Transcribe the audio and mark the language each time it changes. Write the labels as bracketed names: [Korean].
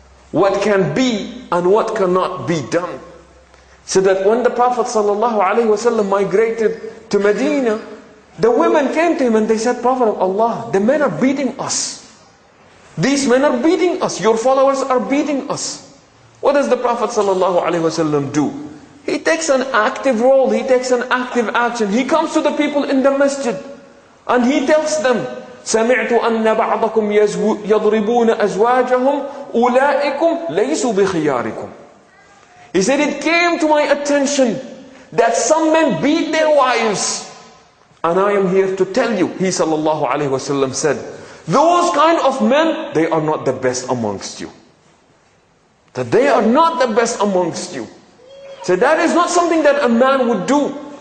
[English] What can be and what cannot be done. So that when the Prophet ﷺ migrated to Medina, the women came to him and they said, Prophet of Allah, the men are beating us. These men are beating us. Your followers are beating us. What does the Prophet ﷺ do? He takes an active role. He takes an active action. He comes to the people in the masjid. And he tells them, [Arabic] سَمِعْتُ أَنَّ بَعْضَكُمْ يَضْرِبُونَ أَزْوَاجَهُمْ أُولَٰئِكُمْ لَيْسُوا بِخِيَارِكُمْ. [English] He said, it came to my attention that some men beat their wives. And I am here to tell you, he sallallahu alayhi wasallam said, those kind of men, they are not the best amongst you. That they are not the best amongst you. So that is not something that a man would do.